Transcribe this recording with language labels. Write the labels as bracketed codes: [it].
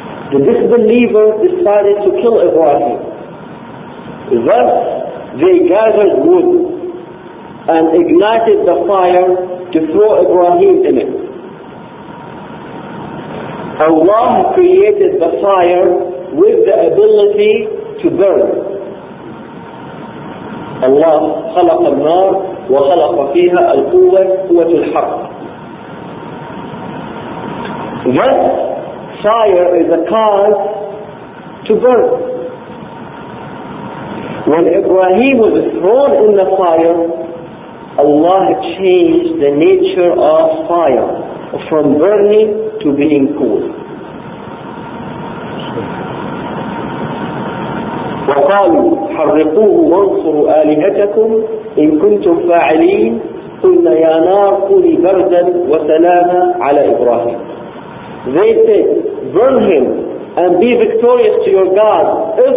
[en] The disbeliever decided to kill Ibrahim. Thus, they gathered wood and ignited the fire to throw Ibrahim in it. Allah created the fire with the ability to burn. [ar] Allah خلق النار وخلق فيها القوة قوة الحرق. [en] Thus, fire is a cause to burn. When Ibrahim was thrown in the fire, Allah changed the nature of fire from burning to being cool. [ar] وقالوا حرقوه وانصروا آلهتكم إن كنتم فاعلين قلنا يا نار كوني بردا وسلاما على إبراهيم. [en] They said, burn him and be victorious to your God.